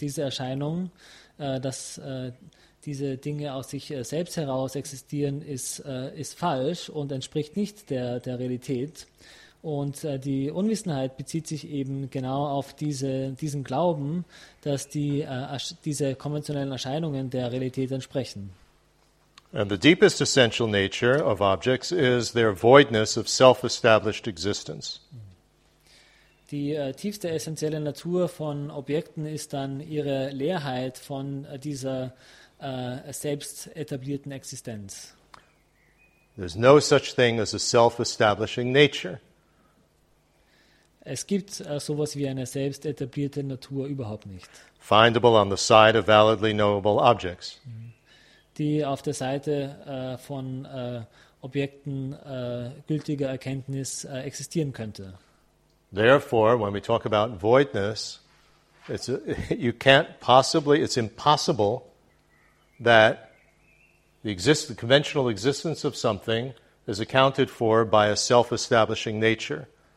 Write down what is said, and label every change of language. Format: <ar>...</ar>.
<de>Diese Erscheinung, dass diese Dinge aus sich selbst heraus existieren, ist falsch und entspricht nicht der Realität. Und die Unwissenheit bezieht sich eben genau auf diesen Glauben, dass diese konventionellen Erscheinungen der Realität entsprechen.</de> <en>And the deepest essential nature of objects is their voidness of self-established existence.</en> <de>Die tiefste essentielle Natur von Objekten ist dann ihre Leerheit von dieser selbst etablierten Existenz.</de> <en>There's no such thing as a self-establishing nature.</en> <de>Es gibt sowas wie eine selbst etablierte Natur überhaupt nicht.</de> <en>Findable on the side of validly knowable objects.</en> <de>Die auf der Seite von Objekten gültiger Erkenntnis existieren könnte.</de> <en>Therefore, when we talk about voidness, it's impossible that the conventional existence of something is accounted for by a self-establishing nature.</en>